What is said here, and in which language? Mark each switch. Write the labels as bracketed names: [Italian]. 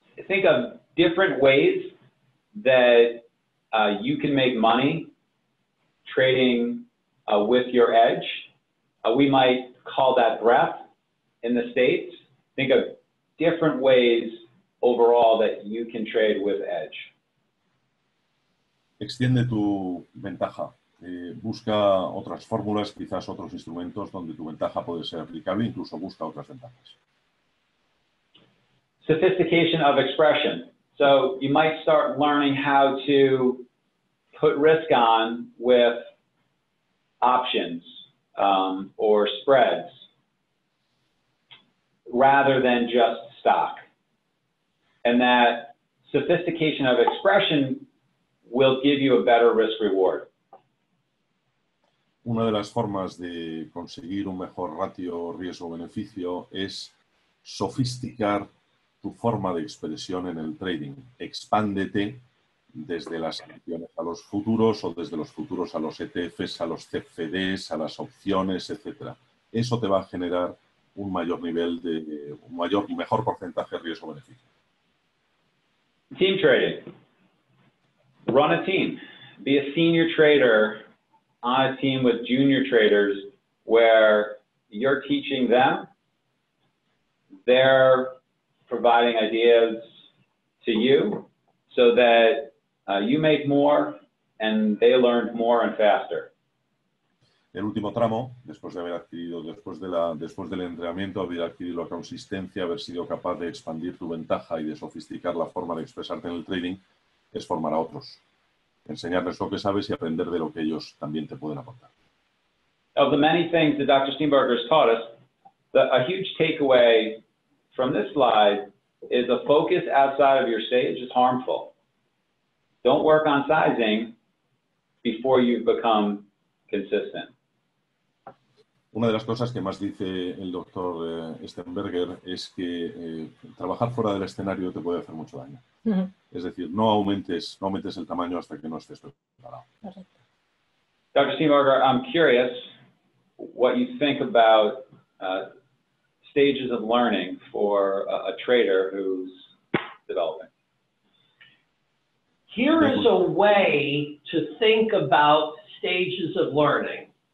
[English] Think of different ways that you can make money trading with your edge. We might call that breadth in the States. Think of different ways overall that you can trade with edge. [Spanish] Extiende tu ventaja. Busca otras fórmulas, quizás otros instrumentos donde tu ventaja puede ser aplicable, incluso busca otras ventajas. [English] Sophistication of expression. So you might start learning how to put risk on with options or spreads rather than just stock. And that sophistication of expression will give you a better risk reward. [Spanish] Una de las formas de conseguir un mejor ratio riesgo-beneficio es sofisticar tu forma de expresión en el trading. Expándete desde las acciones a los futuros o desde los futuros a los ETFs, a los CFDs, a las opciones, etc. Eso te va a generar un mayor nivel de un mayor y mejor porcentaje riesgo-beneficio. [English] Team trading. Run a team. Be a senior trader on a team with junior traders where you're teaching them, they're providing ideas to you so that you make more and they learn more and faster. [Spanish] El último tramo, después de haber adquirido, después del entrenamiento, haber adquirido la consistencia, haber sido capaz de expandir tu ventaja y de sofisticar la forma de expresarte en el trading, es formar a otros. Enseñarles lo que sabes y aprender de lo que ellos también te pueden aportar. [English] Of the many things that Dr. Steenberger has taught us, a huge takeaway from this slide is a focus outside of your stage is harmful. Don't work on sizing before you've become consistent. [Spanish] Una de las cosas que más dice el Dr. Steenberger es que trabajar fuera del escenario te puede hacer mucho daño. Uh-huh. Es decir, no aumentes el tamaño hasta que no estés preparado. [English] Dr. Steenberger, I'm curious what you think about stages of learning for a trader who's developing. Here is a way to think about stages of learning.